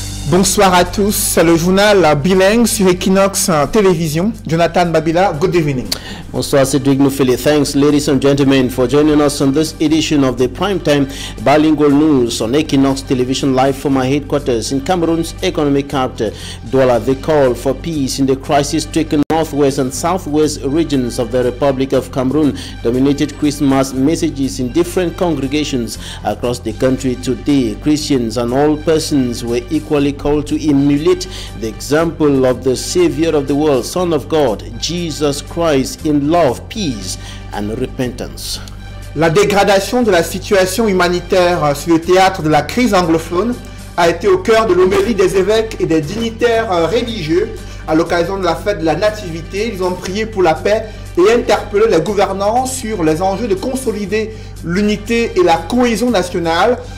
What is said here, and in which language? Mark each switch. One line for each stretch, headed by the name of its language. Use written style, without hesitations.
French: Bonsoir à tous, c'est le journal bilingue sur Equinox Télévision.
English: Jonathan Babila, good evening.
French: Bonsoir, c'est Dwigno Philly.
English: Thanks, ladies and gentlemen, for joining us on this edition of the Primetime Bilingual News on Equinox Television live from my headquarters in Cameroon's economic capital, Douala. The call for peace in the crisis-stricken northwest and southwest regions of the Republic of Cameroon dominated Christmas messages in different congregations across the country today. Christians and all persons were equally called to emulate the example of the Savior of the world, Son of God, Jesus Christ, in love, peace and repentance.
French: La dégradation de la situation humanitaire sur le théâtre de la crise anglophone a été au cœur de l'homélie des évêques et des dignitaires religieux. À l'occasion de la fête de la Nativité, ils ont prié pour la paix et interpellé les gouvernants sur les enjeux de consolider l'unité et la cohésion nationale.